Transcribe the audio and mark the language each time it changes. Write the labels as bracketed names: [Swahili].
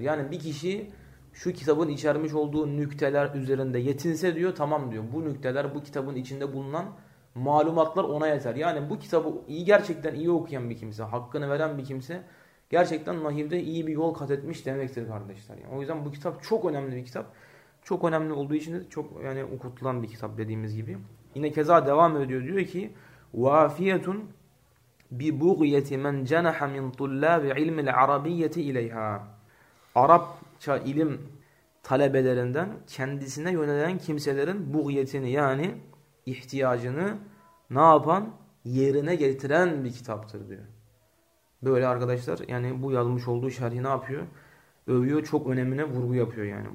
[Turkish] Yani bir kişi şu kitabın içermiş olduğu nükteler üzerinde yetinse diyor, tamam diyor, bu nükteler, bu kitabın içinde bulunan malumatlar ona yeter. Yani bu kitabı iyi, gerçekten iyi okuyan bir kimse, hakkını veren bir kimse gerçekten nahivde iyi bir yol kat etmiş demektir kardeşler. Yani o yüzden bu kitap çok önemli bir kitap. Çok önemli olduğu için de çok yani okutulan bir kitap dediğimiz gibi. Yine keza devam ediyor. Diyor ki [Arabic] وَافِيَةٌ بِبُغْيَةِ مَنْ جَنَحَ مِنْ طُلَّابِ عِلْمِ الْعَرَبِيَّةِ اِلَيْهَا. [Turkish] Arapça ilim talebelerinden kendisine yönelen kimselerin buğyetini, yani ihtiyacını ne yapan, yerine getiren bir kitaptır diyor. Böyle arkadaşlar, yani bu yazmış olduğu şerhi ne yapıyor? Övüyor, çok önemine vurgu yapıyor yani.